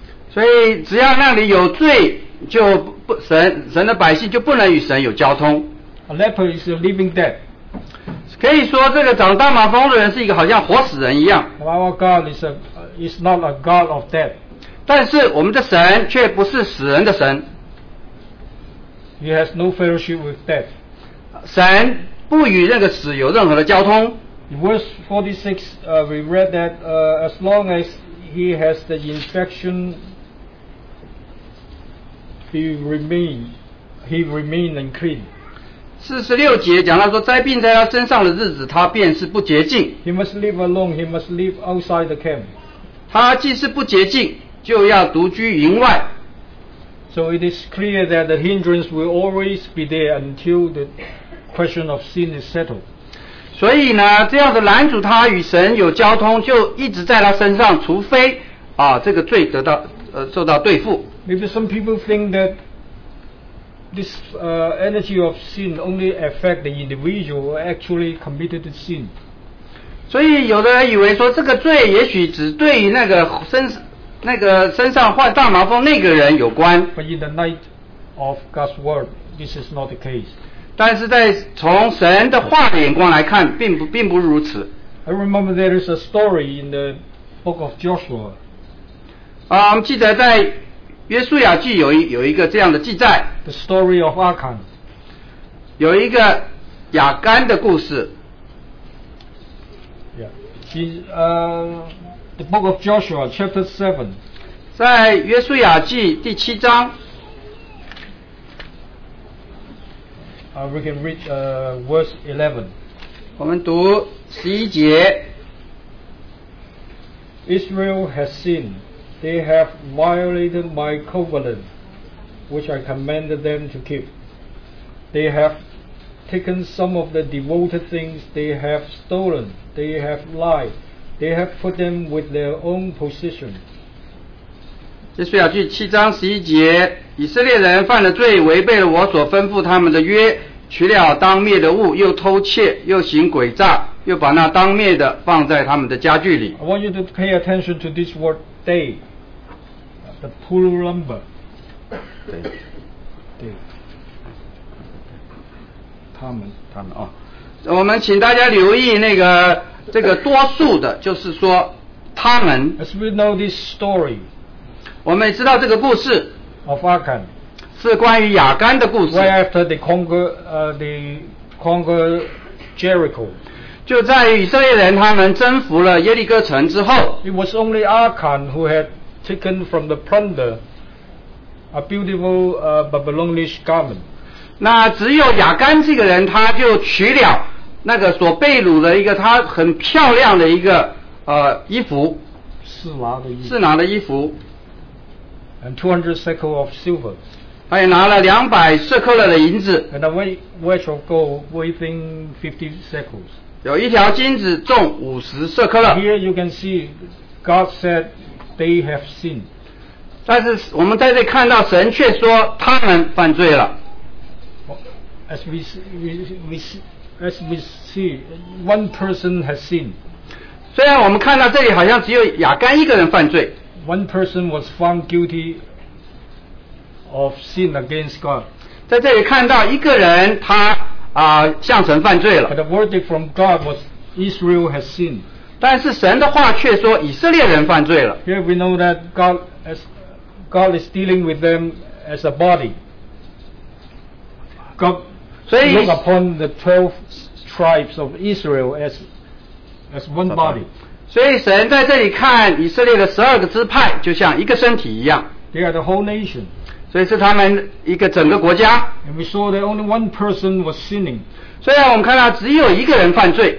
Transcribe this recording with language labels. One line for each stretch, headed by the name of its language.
Chinese: 所以只要那里有罪，就不神的百姓就不能与神有交通。
English: A leper is a living dead.
Chinese: 可以说这个长大麻风的人是一个好像活死人一样。
English: Our God is not a God of death.
Chinese: 但是我们的神却不是死人的神。
English: He has no fellowship with death.
Chinese: 神不与那个死有任何的交通。
English: In verse 46, we read that as long as he has the infection, he remains unclean.
Chinese: 46节讲到说，灾病在他身上的日子，他便是不洁净。
English: He must live alone. He must live outside the camp.
Chinese: 他既是不洁净，就要独居营外。
English: So it is clear that the hindrance will always be there until the question of sin is settled.
Chinese: 所以呢，这样子拦阻他与神有交通，就一直在他身上，除非啊，这个罪得到受到对付。
English: Maybe some people think that this energy of sin only affect the individual who actually committed the sin.
Chinese: 所以有的人以为说，这个罪也许只对于那个身上患大麻风那个人有关。
English: But in the light of God's word, this is not the case.
Chinese: 但是在从神的话的眼光来看，并不如此。
English: I remember there is a story in the book of Joshua.
Chinese: 记得在约书亚记有一个这样的记载。
English: The story of Achan.
Chinese: 有一个亚干的故事。
English: Yeah. The book of Joshua, chapter 7.
Chinese: 在约书亚记第七章。
English: We can read verse 11.
Chinese: 我们读十一节。
English: Israel has sinned. They have violated my covenant, which I commanded them to keep. They have taken some of the devoted things they have stolen. They have lied. They have put them with their own position.
Chinese: 约书亚记七章十一节，以色列人犯了罪，违背了我所吩咐他们的约，取了当灭的物，又偷窃，又行诡诈，又把那当灭的放在他们的家具里。
English: I want you to pay attention to this word "they," the plural number.
Chinese: 对，他们啊。我们请大家留意那个这个多数的，就是说他们。
English: As we know this story,
Chinese: 我们也知道这个故事。
English: Of Achan,
Chinese: 是关于亚干的故事。
English: Right after they conquer Jericho,
Chinese: 就在以色列人他们征服了耶利哥城之后。
English: It was only Achan who had taken from the plunder a beautiful Babylonish garment.
Chinese: 那只有亚干这个人，他就取了那个所被掳的一个他很漂亮的一个衣服，是拿的衣服
English: ，and 200 shekels of silver，
Chinese: 他也拿了200 shekels 的银子
English: ，and a wedge of gold weighing 50 shekels，
Chinese: 有一条金子重50 shekels。
English: Here you can see God said they have sinned，
Chinese: 但是我们在这看到神却说他们犯罪了。
English: As we see, one person has sinned.
Chinese: 虽然我们看到这里好像只有亚干一个人犯罪。
English: One person was found guilty of sin against God.
Chinese: 在这里看到一个人他向神犯罪了。
English: But the verdict from God was Israel has sinned.
Chinese: 但是神的话却说以色列人犯罪了。
English: Here we know that God is dealing with them as a body. God. Look upon the 12 tribes of Israel as one body.
Chinese: 所以神在这里看以色列的十二个支派就像一个身体一样。
English: They are the whole nation.
Chinese: 所以是他们一个整个国家。
English: And we saw that only one person was sinning.
Chinese: 虽然我们看到只有一个人犯罪。